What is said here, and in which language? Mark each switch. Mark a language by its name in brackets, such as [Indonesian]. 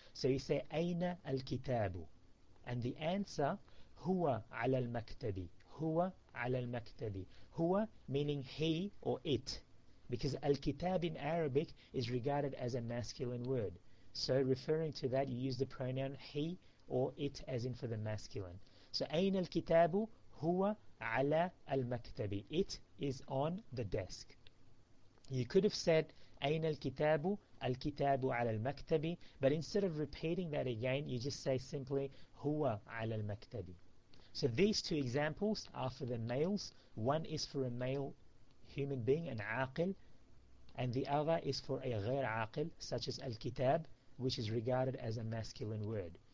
[English] So you say, [Arabic] aina al-kitabu. [English] And the answer, [Arabic] huwa ala al-maktabi. Huwa ala al-maktabi. Huwa [English] meaning he or it. Because al-kitab in Arabic is regarded as a masculine word. So referring to that, you use the pronoun he or it, as in for the masculine. [Arabic] So, أين الكتاب هو على المكتب. [English] It is on the desk. You could have said, [Arabic] أين الكتاب؟ الكتاب على المكتب. [English] But instead of repeating that again, you just say simply, [Arabic] هو على المكتب. [English] So, these two examples are for the males. One is for a male human being, an عاقل, and the other is for a غير عاقل, such as الكتاب, which is regarded as a masculine word.